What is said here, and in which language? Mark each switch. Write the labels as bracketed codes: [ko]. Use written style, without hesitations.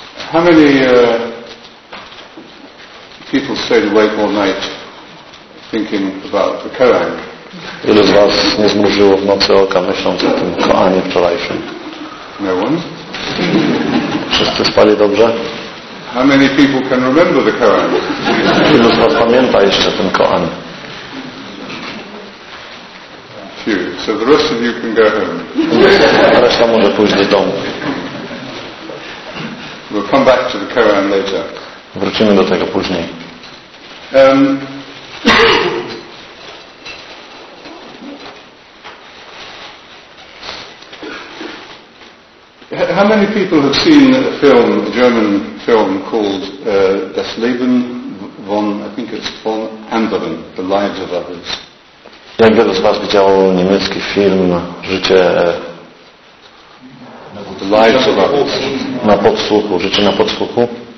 [en] How many people stayed awake all night thinking about the Koan? [pl] Ile z was nie zmrużyło w nocy oka myśląc o tym Koanie wczorajszym? [en] No one. [pl] Wszyscy spali dobrze? [en] How many people can remember the Koran? [pl] Ilu z was pamięta jeszcze ten Koran? [en] Few. So the rest of you can go home. [pl] A reszta może pójść do domu. [en] We'll come back to the Koran later. [pl] Wrócimy do tego później. [en] How many people have seen a film, a German film called Das Leben von, I think it's von anderen, The Lives of Others? [pl] Jak wielu z was widziało niemiecki film Życie [en] The lives of others. [pl] Na podsłuchu, życie na podsłuchu.